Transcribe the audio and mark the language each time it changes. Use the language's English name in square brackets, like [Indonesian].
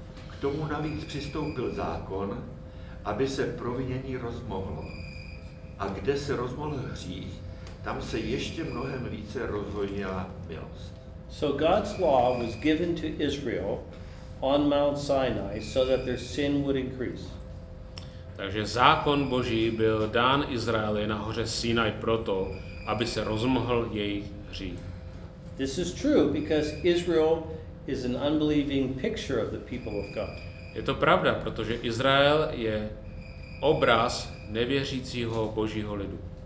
[Czech] K tomu navíc přistoupil zákon, aby se provinění rozmohlo. A kde se rozmohl hřích, tam se ještě mnohem více rozhojnila milost. [English] So God's law was given to Israel on Mount Sinai so that their sin would increase. [Czech] Takže zákon Boží byl dán Izraeli na hoře Sinai proto, aby se rozmohl jejich hřích. [English] This is true because Israel is an unbelieving picture of the people of God. [Czech] Je to pravda, protože Izrael je obraz nevěřícího Božího lidu.